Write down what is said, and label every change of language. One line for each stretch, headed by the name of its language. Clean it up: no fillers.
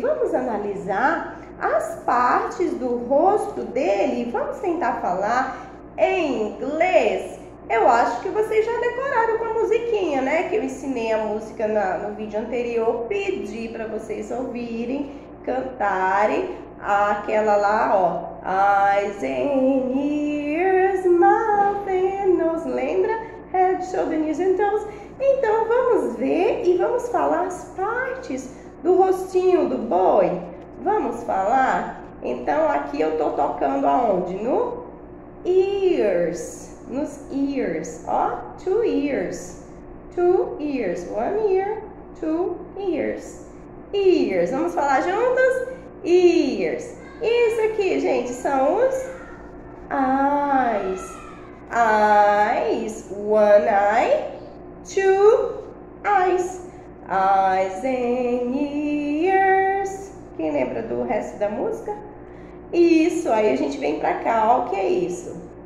Portuguese: Vamos analisar as partes do rosto dele. Vamos tentar falar em inglês. Eu acho que vocês já decoraram com a musiquinha, né? Que eu ensinei a música no vídeo anterior. Pedi para vocês ouvirem, cantarem aquela lá, ó.
English: Eyes and ears, mouth and nose.
Portuguese: Lembra?
English: Head, shoulders and toes.
Portuguese: Então, vamos ver e vamos falar as partes do rostinho do boi. Vamos falar? Então, aqui eu tô tocando aonde? No ears.
English: Nos ears, ó, two ears, two ears, one ear, two ears, ears.
Portuguese: Vamos falar juntos? Ears. Isso aqui, gente, são os eyes.
English: Eyes, one eye, two eyes, eyes and ears.
Portuguese: Quem lembra do resto da música? Isso, aí a gente vem pra cá, ó, o que é isso?